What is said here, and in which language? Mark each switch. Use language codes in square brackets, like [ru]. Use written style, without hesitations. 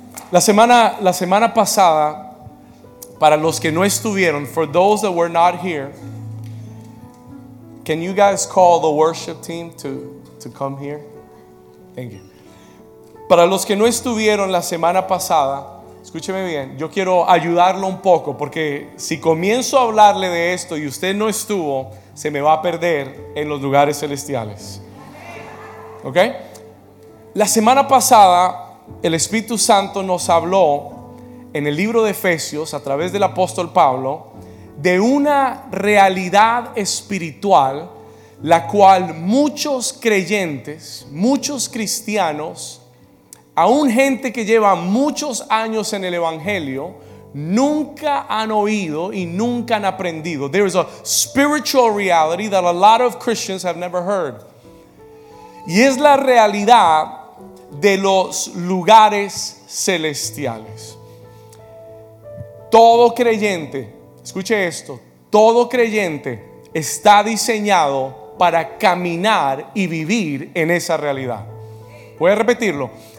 [es] La semana pasada, para los que no estuvieron, [en] for those that were not here, can you guys call the worship team to come here? Thank you. [es] Para los que no estuvieron la semana pasada, escúcheme bien, yo quiero ayudarlo un poco, porque si comienzo a hablarle de esto y usted no estuvo, se me va a perder en los lugares celestiales. ¿Ok? La semana pasada, el Espíritu Santo nos habló en el libro de Efesios, a través del apóstol Pablo, de una realidad espiritual la cual muchos creyentes, muchos cristianos, aún gente que lleva muchos años en el evangelio, nunca han oído y nunca han aprendido. [en] There is a spiritual reality that a lot of Christians have never heard. [es] Y es la realidad de los lugares celestiales. Todo creyente, escuche esto, todo creyente está diseñado para caminar y vivir en esa realidad. Voy a repetirlo.